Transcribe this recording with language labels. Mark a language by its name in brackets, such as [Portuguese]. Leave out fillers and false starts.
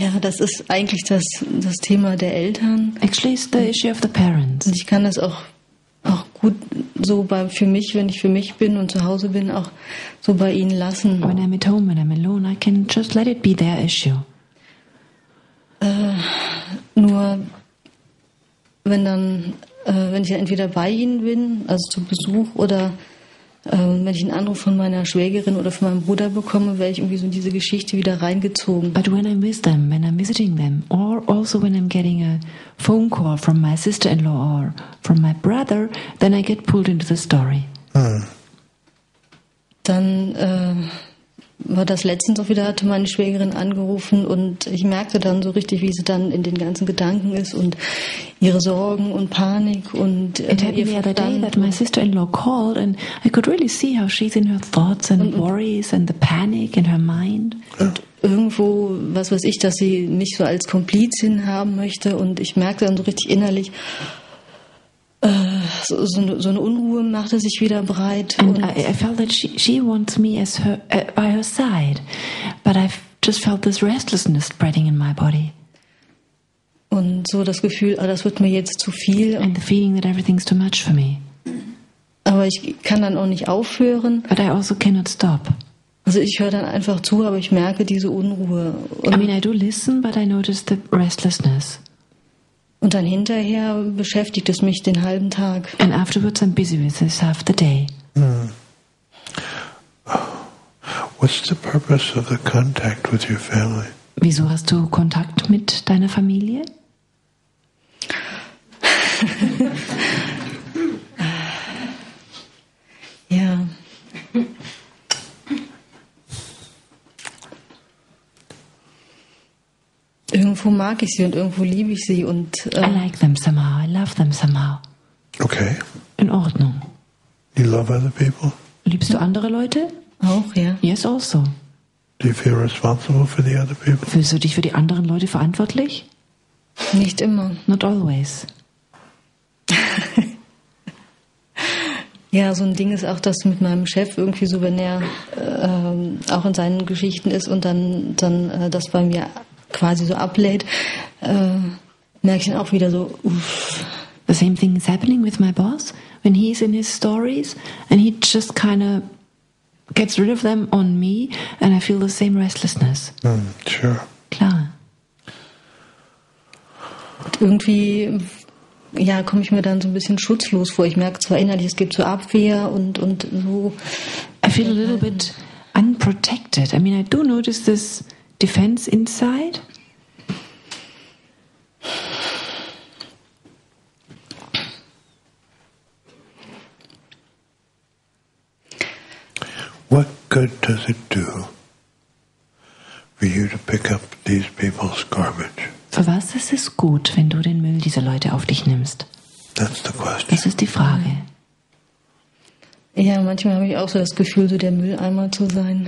[German] Ja, das ist eigentlich das Thema der Eltern. [English] Actually, it's the issue of the parents. [German] Und ich kann das auch gut so bei, für mich, wenn ich für mich bin und zu Hause bin, auch so bei ihnen lassen. [English] When I'm at home, when I'm alone, I can just let it be their issue. [German] Nur wenn dann, wenn ich entweder bei ihnen bin, also zu Besuch, oder wenn ich einen Anruf von meiner Schwägerin oder von meinem Bruder bekomme, werde ich irgendwie so in diese Geschichte wieder reingezogen. [English] But when I'm with them, when I'm visiting them, or also when I'm getting a phone call from my sister-in-law or from my brother, then I get pulled into the story. [German] Dann war das letztens auch wieder, hatte meine Schwägerin angerufen und ich merkte dann so richtig, wie sie dann in den ganzen Gedanken ist und ihre Sorgen und Panik und ihr Verdammt. [English] It happened the other day that my sister-in-law called and I could really see how she's in her thoughts and worries and the panic in her mind. [German] Und irgendwo, was weiß ich, dass sie mich so als Komplizin haben möchte und ich merkte dann so richtig innerlich, so eine Unruhe machte sich wieder breit. [English] And I felt that she wants me as her by her side, but I just felt this restlessness spreading in my body. [German] Und so das Gefühl, oh, das wird mir jetzt zu viel. [English] And the feeling that everything's too much for me. [German] Aber ich kann dann auch nicht aufhören. [English] But I also cannot stop. [German] Also ich höre dann einfach zu, aber ich merke diese Unruhe. [English] Und I mean, I do listen, but I notice the restlessness. [German] Und dann hinterher beschäftigt es mich den halben Tag. [English] And afterwards I'm busy with this half the day. What's the purpose of the contact with your family? [German] Wieso hast du Kontakt mit deiner Familie? Ja. Irgendwo mag ich sie und irgendwo liebe ich sie und [English] I like them somehow, I love them somehow. Okay. [German] In Ordnung. [English] You love other people? [German] Liebst du andere Leute? Auch, ja. [English] Yes, also. Do you feel responsible for the other people? [German] Fühlst du dich für die anderen Leute verantwortlich? Nicht immer. [English] Not always. [German] Ja, so ein Ding ist auch, dass mit meinem Chef irgendwie so, wenn er auch in seinen Geschichten ist und dann das bei mir quasi so ablädt, merke ich dann auch wieder so, uff. [English] The same thing is happening with my boss, when he's in his stories and he just kind of gets rid of them on me and I feel the same restlessness. Sure. [German] Klar. Und irgendwie, ja, komme ich mir dann so ein bisschen schutzlos vor. Ich merke zwar innerlich, es gibt so Abwehr und so. [English] I feel a little bit unprotected. I mean, I do notice this defense inside. What good does it do for you to pick up these people's garbage? [German] Für was ist es gut, wenn du den Müll dieser Leute auf dich nimmst? [English] That's the question. [German] Das ist die Frage. Ja, manchmal habe ich auch so das Gefühl, so der Mülleimer zu sein.